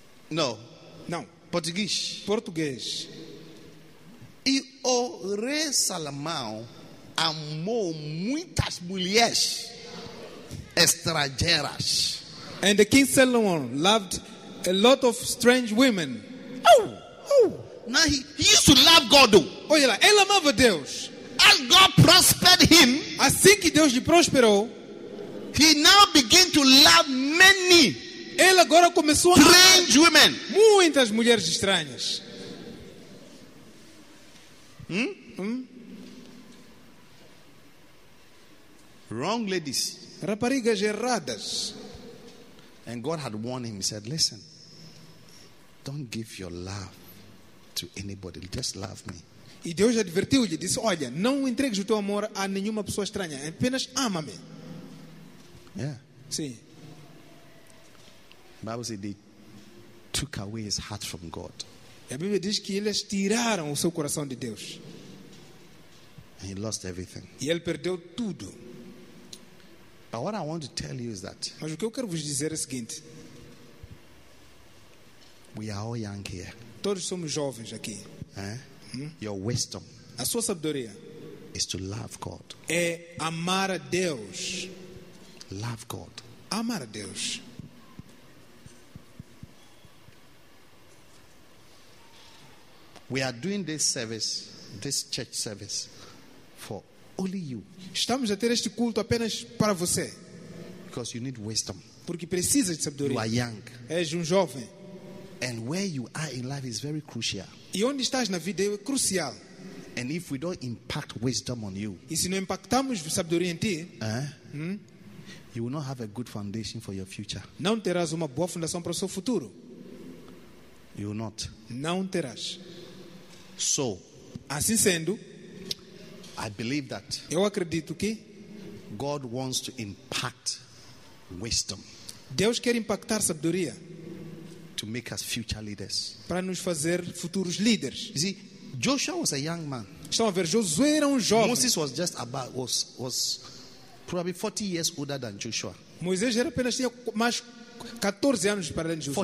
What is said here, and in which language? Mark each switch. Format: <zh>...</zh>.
<en>No.</en> <pt>Não. Português. Português. E o rei Salomão amou muitas mulheres estrangeiras.</pt> <en>And the King Solomon loved a lot of strange women. Oh, oh. Now he used to love God though. Oh, yeah.</en> <pt>Ele amava Deus.</pt> <en>As God prospered him,</en> <pt>assim que Deus lhe prosperou,</pt> <en>he now began to love many.</en> <pt>Ele agora começou a</pt> <en>strange women.</en> <pt>Muitas mulheres estranhas.</pt> <en>Wrong ladies.</en> <pt>Raparigas erradas.</pt> <en>And God had warned him. He said, listen, don't give your love to anybody. Just love me.</en> <pt>E Deus advertiu-lhe, disse, olha, não entregues o teu amor a nenhuma pessoa estranha. Apenas ama-me.</pt> <en>Yeah.</en> <pt>Sim.</pt> <en>The Bible says they took away his heart from God.</en> <pt>E a Bíblia diz que eles tiraram o seu coração de Deus.</pt> <en>And he lost everything.</en> <pt>E ele perdeu tudo.</pt> <en>But what I want to tell you is that.</en> <pt>Mas o que eu quero vos dizer é o seguinte.</pt> <en>We are all young here.</en> <pt>Todos somos jovens aqui.</pt> <en>Eh? Your wisdom.</en> <pt>A sua sabedoria.</pt> <en>Is to love God.</en> <pt>É amar a Deus.</pt> <en>Love God.</en> <pt>Amar a Deus.</pt> <en>We are doing this service, this church service, for.</en> <pt>Estamos a ter este culto apenas para você.</pt> <en>Because you need wisdom.</en> <pt>Porque precisas de sabedoria.</pt> <en>You are young.</en> <pt>És um jovem.</pt> <en>And where you are in life is very crucial.</en> <pt>E onde estás na vida é crucial.</pt> <en>And if we don't impact wisdom on you,</en> <pt>e se não impactamos sabedoria em ti,</pt> <en>you will not have a good foundation for your future.</en> <pt>Não terás uma boa fundação para o seu futuro.</pt> <en>You will not.</en> <pt>Não terás.</pt> <en>So,</en> <pt>assim sendo,</pt> <en>I believe that.</en> <pt>Eu acredito que</pt> <en>God wants to impact wisdom.</en> <pt>Deus quer impactar sabedoria.</pt> <en>To make us future leaders.</en> <pt>Para nos fazer futuros líderes.</pt> <en>You see, Joshua was a young man.</en> <pt>Estão a ver, Josué era jovem.</pt> <en>Moses was just about was probably 40 years older than Joshua.</en> <pt>Moisés era apenas tinha mais 14 anos para além de Josué.</pt>